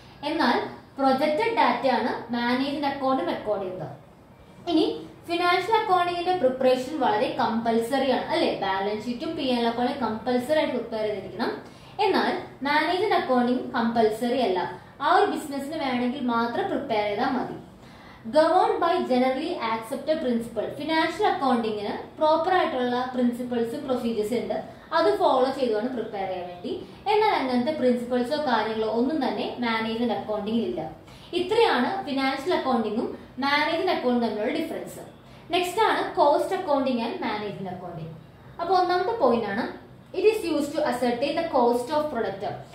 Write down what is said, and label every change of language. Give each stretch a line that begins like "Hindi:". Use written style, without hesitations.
Malayalam: എന്നാൽ പ്രൊജക്റ്റഡ് ഡാറ്റയാണ് മാനേജ്മെന്റ് അക്കൗണ്ടും റെക്കോർഡ് ചെയ്യുന്നത്. ഇനി ഫിനാൻഷ്യൽ അക്കൗണ്ടിങ്ങിന്റെ പ്രിപ്പറേഷൻ വളരെ കമ്പൽസറി ആണ് അല്ലെ. ബാലൻസ് ഷീറ്റും പി എൽ അക്കൗണ്ടും കമ്പൽസറി ആയിട്ട് പ്രിപ്പയർ ചെയ്തിരിക്കണം. എന്നാൽ മാനേജ്മെന്റ് അക്കൗണ്ടിങ് കമ്പൽസറി അല്ല, ആ ഒരു ബിസിനസിന് വേണമെങ്കിൽ മാത്രം പ്രിപ്പയർ ചെയ്താൽ മതി.
English: Governed by generally accepted principle.
Malayalam: Financial accounting ഇന് പ്രോപ്പർ ആയിട്ടുള്ള പ്രിൻസിപ്പിൾസും പ്രൊസീജിയേഴ്സും ഉണ്ട്, അത് ഫോളോ ചെയ്തുകൊണ്ട് പ്രിപ്പയർ ചെയ്യാൻ വേണ്ടി. എന്നാൽ അങ്ങനത്തെ പ്രിൻസിപ്പിൾസോ കാര്യങ്ങളോ ഒന്നും തന്നെ മാനേജ്മെന്റ് അക്കൗണ്ടിങ്ങിൽ ഇല്ല. ഇത്രയാണ് ഫിനാൻഷ്യൽ അക്കൗണ്ടിങ്ങും മാനേജ്മെന്റ് അക്കൗണ്ടും തമ്മിലുള്ള ഡിഫറൻസ്.
English: Next ആണ് cost accounting and management accounting. അപ്പോൾ ഒന്നാമത്തെ പോയിന്റ് ആണ് it is use to ascertain the cost of product.